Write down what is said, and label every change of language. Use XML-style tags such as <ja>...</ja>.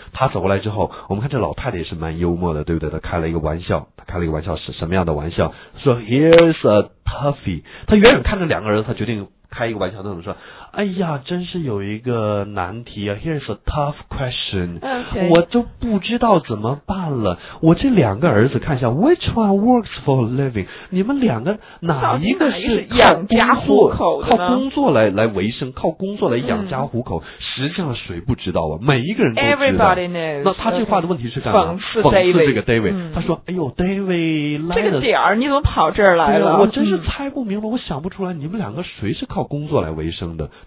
<zh>她走过来之后，我们看这老太太也是蛮幽默的，对不对？她开了一个玩笑，她开了一个玩笑是什么样的玩笑？</zh> <en>说 Here's a toughie。</en> <zh>她远远看着两个人，她决定开一个玩笑，她怎么说？哎呀，真是有一个难题啊 ！</zh> <en>Here's a tough question，、 okay.</en> <zh>我就不知道怎么办了。我这两个儿子，看一下</zh> <en>，which one works for a living？</en> <zh>你们两个哪一个是养家糊口的呢？靠工作来维生，靠工作来养家糊口。嗯、实际上谁不知道啊？每一个人都知道。</zh> <en>Everybody knows。</en> <zh>那他这话的问题是干嘛？</zh> <en>Okay.</en> <zh>讽刺这个 David、嗯。他说：“哎呦 ，David，这个点儿你怎么跑这儿来了？我真是猜不明白、嗯，我想不出来，你们两个谁是靠工作来维生的？”</zh>